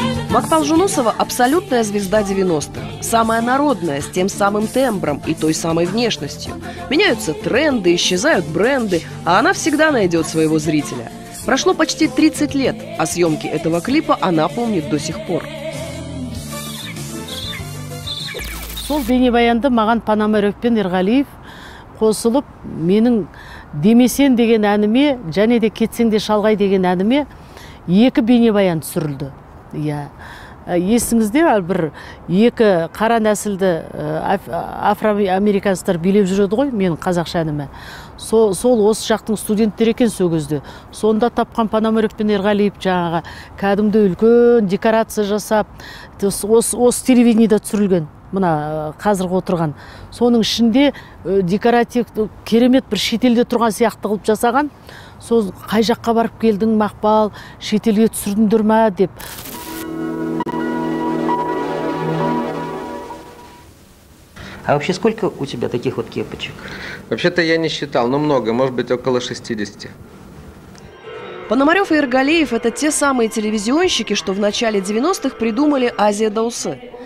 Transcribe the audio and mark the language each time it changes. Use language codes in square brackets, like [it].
[ru] Макпал Жунусова – абсолютная звезда 90-х. Самая народная, с тем самым тембром и той самой внешностью. Меняются тренды, исчезают бренды, а она всегда найдет своего зрителя. Прошло почти 30 лет, а съемки этого клипа она помнит до сих пор. [kk] Сол бейнебаянды маған Панамарев пен Ерғалиев қосылып, менің «Демесен» деген әніме, және де «Кетсен де шалғай» деген әніме екі бейнебаян түсірілді. Есіңізде бір екі қара нәсілді афроамериканстар билеп жүреді ғой менің қазақша әніме. Сол осы жақтың студенттер екен сөгізді. Сонда тапқан Панамарев пен Ерғалиев жаңаға кәдімді үлкен декорация жасап, осы телевидениеде түсірілген. Мына қазіргі отырған. Соның ішінде декоратив керемет бір шетелде тұрған сияқты қылып жасаған. Сол қай жаққа барып келдің Мақпал, шетелге түсірдіңдер ма деп. [ru] А вообще сколько у тебя таких вот кепочек? Вообще-то я не считал, но много, может быть около 60. Пономарев и Ергалеев – это те самые телевизионщики, что в начале 90-х придумали «Азия Даусы».